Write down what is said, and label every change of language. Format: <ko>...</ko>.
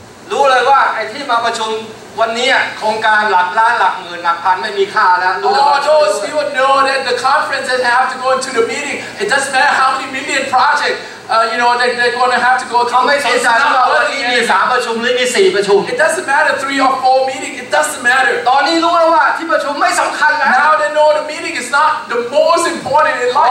<th>รู้เลยว่าไอ้ที่มาประชุมวันนี้โครงการหลักล้านหลักหมื่นหลักพันไม่มีค่าแล้ ว</th> <en>All those people know that the conference that have to go into the meeting it doesn't matter how many million project you know they're going to have to go</en> <th>เขาไม่สนใจว่าวันนี้มี3ประชุมหรือมี4ประชุม</th> <en>It doesn't matter 3 or 4 meeting it doesn't matter</en> <th>ตอนนี้รู้แล้วว่าที่ประชุมไม่สำคัญแล้ว</th> <en>Now they know the meeting is not the most important in life</en>